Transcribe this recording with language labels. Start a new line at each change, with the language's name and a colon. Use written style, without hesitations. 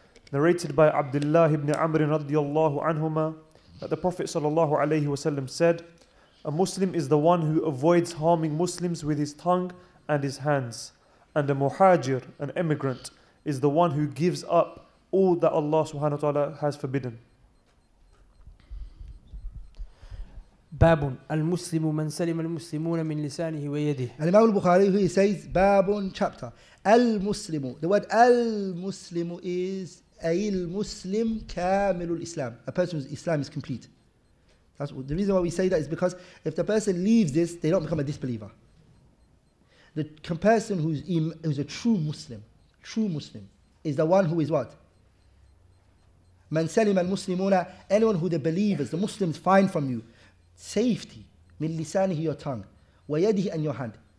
English: Narrated by Abdullah ibn Amr radiyallahu anhuma, that the Prophet sallallahu alayhi wasallam said, "A Muslim is the one who avoids harming Muslims with his tongue and his hands. And a muhajir, an immigrant, is the one who gives up all that Allah subhanahu wa ta'ala has forbidden."
Arabic: باب المسلم من سلم المسلمون من لسانه ويده. الإمام البخاري
English: he says
Arabic: باب chapter المسلم.
English: The word
Arabic: المسلم is أي المسلم كامل الإسلام.
English: A person's Islam is complete. That's the reason why we say that is because if the person leaves this, they don't become a disbeliever. The person who's a true Muslim, is the one who is what?
Arabic: من سلم المسلمون.
English: Anyone who the believers, the Muslims, find from you safety, min lisanihi, your tongue, wa yadihi, and your hand.